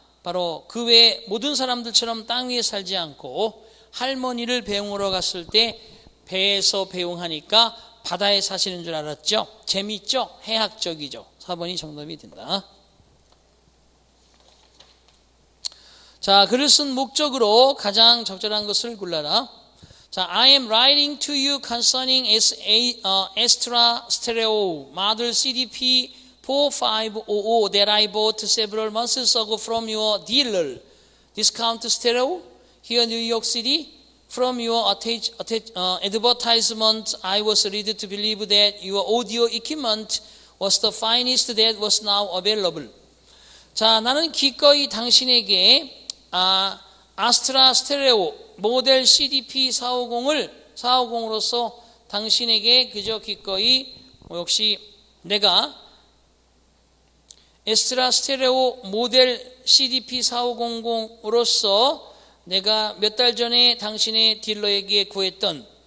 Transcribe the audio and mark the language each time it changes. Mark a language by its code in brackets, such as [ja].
[ko] 바로 그 외 모든 사람들처럼 땅 위에 살지 않고 할머니를 배웅하러 갔을 때 배에서 배웅하니까 바다에 사시는 줄 알았죠. 재밌죠. 해학적이죠. 4번이 정답이 된다. 자, 글을 쓴 목적으로 가장 적절한 것을 골라라. [en] 자, I am writing to you concerning Astra Stereo model CDP 4500 that I bought several months ago from your dealer. Discount Stereo here in New York City. From your advertisement, I was led to believe that your audio equipment was the finest that was now available. [ko] 자, 나는 기꺼이 당신에게 아스트라 스테레오 모델 CDP 450을 450으로서 당신에게 그저 기꺼이 역시 내가 아스트라 스테레오 모델 CDP 450으로서 내가 몇 달 전에 당신의 딜러에게 구했던